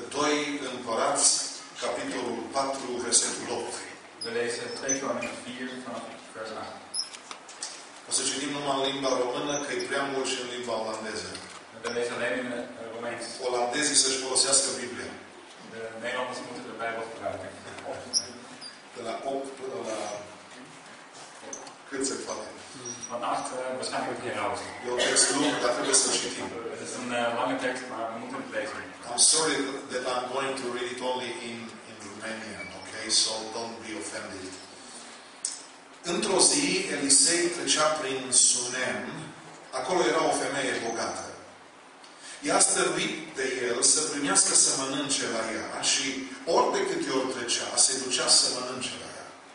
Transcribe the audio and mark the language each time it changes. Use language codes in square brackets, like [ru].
[ro] 2 Împărați, capitolul 4, versetul 8. [nl] We lezen 2 Corinteni 4, vers 8. [ro] O să citim numai în limba română, că e prea mult și în limba olandeză. [nl] We lezen alleen in Romeins. [ro] Olandezii să-și folosească Biblia. [nl] De Nederlanders moeten de Bijbel gebruiken. [ro] De la 8 până la... cât se poate. [nl] Van 8, waarschijnlijk een keer [ro] E un text lung, dar trebuie să-l citim. [nl] Het is een lange tekst, maar we moeten het lezen. [en] I'm sorry that I'm going to read it only in Romanian, okay? So don't be offended. [ro] Într-o zi, Elisei trecea prin Sunem. Acolo era o femeie bogată. Ea stărui de el să primească să mănânce la ea și ori de câte ori trecea, se ducea să mănânce la ea.